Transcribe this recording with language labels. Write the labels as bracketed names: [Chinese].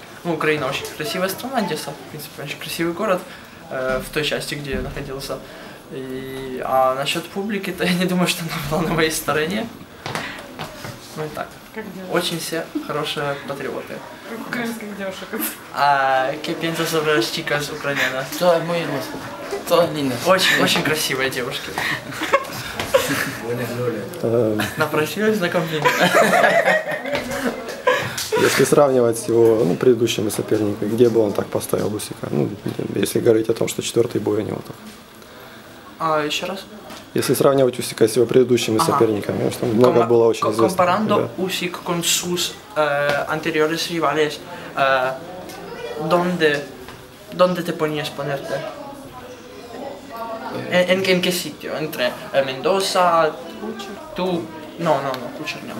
[Russian] Ну, Украина очень красивая страна, Одесса, в принципе, очень красивый город в той части, где я находился. И, а насчет публики, то я не думаю, что она была на моей стороне. Ну и так. Очень все хорошие патриоты. Украинских девушек. [Spanish] А ¿qué piensas sobre las chicas ucranianas? Todas muy hermosas. Todas lindas. [Russian] Очень, очень красивые девушки. Напросилась на комплимент. Если сравнивать с его, ну, предыдущими соперниками, где бы он так поставил Усика? Ну, если говорить о том, что четвертый бой у него там. А еще раз? Если сравнивать Усика с его предыдущими соперниками, потому что много было очень известных. [Spanish] Comparando Usyk con sus anteriores rivales, ¿dónde te ponías ponerte? ¿En qué sitio? ¿Entre Mendoza? ¿Tú? No, Kuchar no.